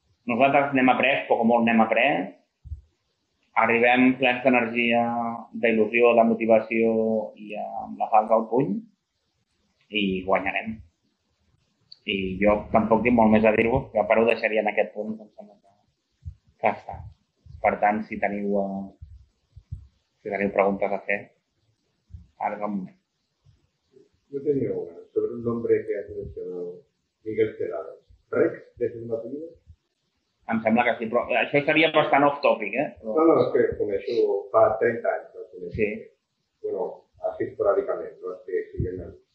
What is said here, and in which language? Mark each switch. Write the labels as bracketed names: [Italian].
[Catalan] Nosaltres n'hem après, poc o molt n'hem après. Arribem plens d'energia, d'il·lusió, de motivació i amb la falç al puny. I guanyarem. I jo tampoc tinc molt més a dir-vos, que però ho deixaria en aquest punt, em sembla que ja està. Per tant, si teniu preguntes a fer, [Spanish] Ahora es el momento. Yo tenía una sobre un nombre que has mencionado, Miguel Celadas. ¿Rex, de segundo apellido? [Catalan] Em sembla que sí, però això seria bastant off-topic, eh? No, no, és que coneixo fa 30 anys. Sí. [Spanish] Bueno, así esporádicamente, no estoy siguiendo.